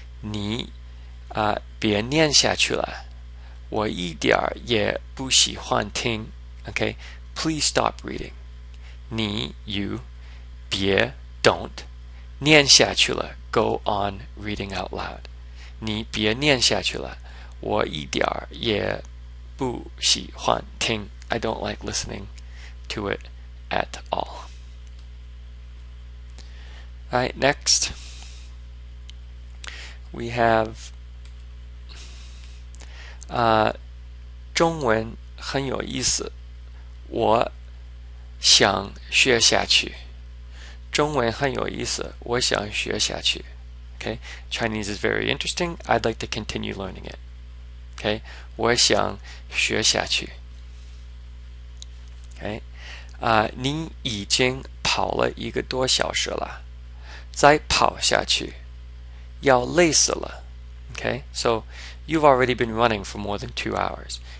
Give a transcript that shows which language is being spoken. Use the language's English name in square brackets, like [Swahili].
[Chinese] 你别念下去了，我一点也不喜欢听. [English] Okay, please stop reading. [Chinese] 你, [English] you, [Chinese] 别, [English] don't, [Chinese] 念下去了, [English] go on reading out loud. [Chinese] 你别念下去了，我一点也不喜欢听. [English] I don't like listening to it at all. All right, next we have [Chinese] 中文很有意思，我想学下去。中文很有意思，我想学下去. [English] Okay, Chinese is very interesting. I'd like to continue learning it. [Chinese] Okay, 我想学下去. Okay, 你已经跑了一个多小时了，再跑下去，要累死了. [English] Okay, so you've already been running for more than 2 hours.